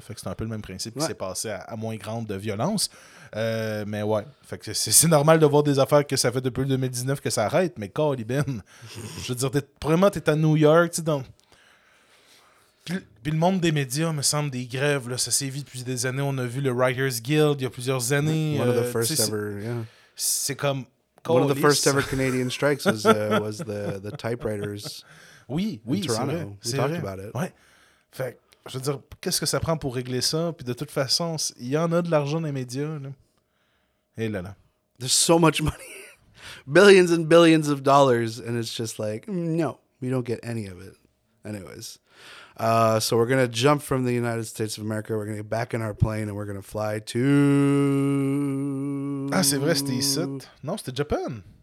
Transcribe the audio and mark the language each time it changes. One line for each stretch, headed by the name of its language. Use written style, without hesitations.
French: Fait que c'est un peu le même principe qui s'est passé à moins grande de violence. Mais ouais, fait que c'est normal de voir des affaires que ça fait depuis 2019 que ça arrête, mais Caliban, je veux dire, t'es à New York, tu sais, dans... Puis le monde des médias, me semble, des grèves, là, ça s'est vu depuis des années. On a vu le Writers Guild il y a plusieurs années.
English: One of the first ever, yeah.
French: C'est comme...
English: One of the first ever Canadian strikes was the typewriters.
French: Oui,
English: in Toronto.
French: C'est vrai.
English: We talked about it.
French: Ouais. Fait, je veux dire, qu'est-ce que ça prend pour régler ça? Puis de toute façon, il y en a de l'argent dans les médias. Là. Et là, là.
English: There's so much money. Billions and billions of dollars. And it's just like, no, we don't get any of it. Anyways, so we're going to jump from the United States of America. We're going to get back in our plane and we're going to fly to...
French: Ah, c'est vrai, c'était ici. Non, c'était Japan.